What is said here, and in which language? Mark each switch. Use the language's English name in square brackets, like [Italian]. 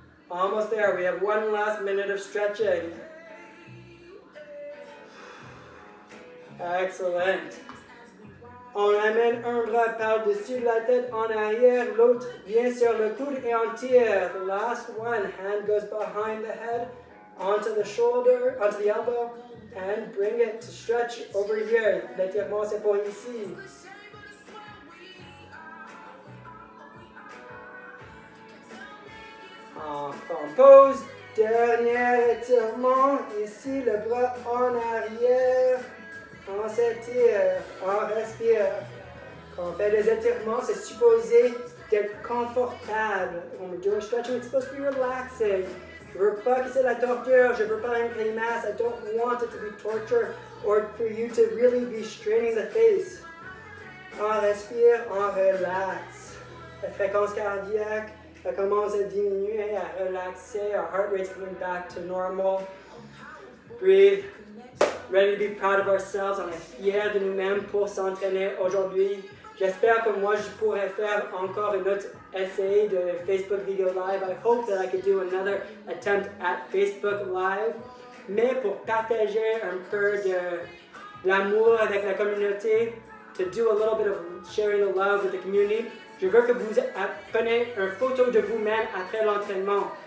[English] Almost there. We have one last minute of stretching. Excellent. [French] On amène un bras par-dessus la tête en arrière, l'autre vient sur le coude et on tire. [English] The last one, hand goes behind the head, onto the shoulder, onto the elbow, and bring it to stretch over here. [French] L'étirement, c'est pour ici. Enfant pose. Dernier étirement, ici le bras en arrière. On s'étire, on respire. Quand on fait des étirements, c'est supposé d'être confortable. [English] When we're doing stretching, it's supposed to be relaxing. [French] Je veux pas que c'est la torture, je veux pas une grimace. [English] I don't want it to be torture or for you to really be straining the face. [French] On respire, on relaxe. La fréquence cardiaque, elle commence à diminuer, à relaxer. [English] Our heart rate's coming back to normal. Breathe. Ready to be proud of ourselves. [French] On est fiers de nous-mêmes pour s'entraîner aujourd'hui. J'espère que moi je pourrai faire encore une autre essai de Facebook Video Live. [English] I hope that I could do another attempt at Facebook Live. [French] Mais pour partager un peu de l'amour avec la communauté, [English] to do a little bit of sharing the love with the community, [French] je veux que vous preniez une photo de vous-même après l'entraînement.